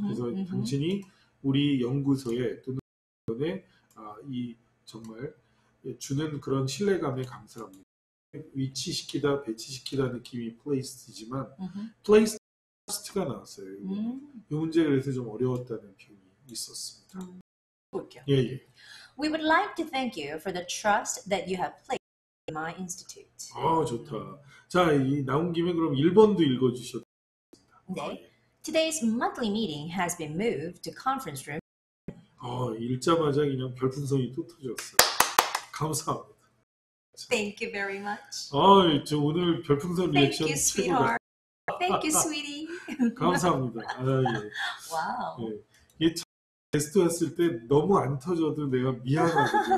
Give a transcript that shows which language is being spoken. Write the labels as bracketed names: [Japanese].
[Korean] 그래서 당신이 우리 연구소에 또는 이 정말 주는 그런 신뢰감에 감사합니다. 위치시키다 배치시키다 느낌이 플레이스지만 플레이스 트러스트가 나왔어요. 이 문제 그래서 좀 어려웠다는 표현이 있었습니다. 볼게요. 예, 예. [English] We would like to thank you for the trust that you have placed in my institute. [Korean] 아, 좋다. 자, 이 나온 김에 그럼 1번도 읽어주셨습니다. 네. [English] Today's monthly meeting has been moved to conference room. [Korean] 아, 읽자마자 그냥 별풍선이 또 터졌어요. 감사합니다. [English] Thank you very much. [Korean] 아, 저 오늘 별풍선 리액션 최고다. [English] Thank you, sweetheart. Thank you, sweetie. [Korean] 감사합니다. 아, 예. 와우. 예. 이게 처음 게스트 왔을 때 너무 안 터져도 내가 미안하거든요.